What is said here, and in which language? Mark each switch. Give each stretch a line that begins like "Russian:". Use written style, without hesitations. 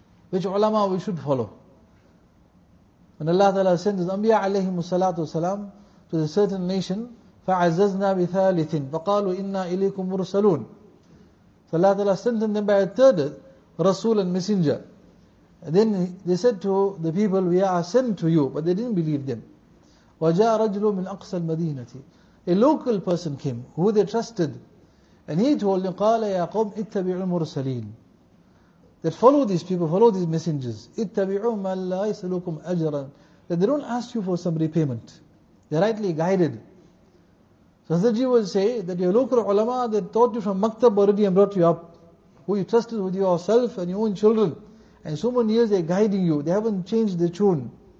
English: Which ulama we should follow? When Allah Ta'ala sends His Anbiya alayhim salatu wasalam to a certain nation,
Arabic: فَعَزَّزْنَا بِثَالِثٍ فَقَالُوا إِنَّا إِلَيْكُمْ مُرْسَلُونَ.
English: So Allah Ta'ala sent them by a third Rasul and Messenger. And then they said to the people, we are sent to you, but they didn't believe them.
Arabic: وَجَاءَ رَجْلٌ مِنْ أَقْسَى الْمَدِينَةِ.
English: A local person came, who they trusted. And he told them,
Arabic: قَالَ يَا قَوْمْ اِتَّبِعُوا الْمُرْسَلِينَ.
English: That follow these people, follow these messengers.
Arabic: اِتَّبِعُوا مَنْ لَا يَسْأَلُكُمْ أَجْرًا.
English: That they don't ask you for some repayment. They're rightly guided. So Hazrat Ji would say that your local ulama that taught you from maktab already and brought you up, who you trusted with yourself and your own children, and so many years they're guiding you, they haven't changed the tune.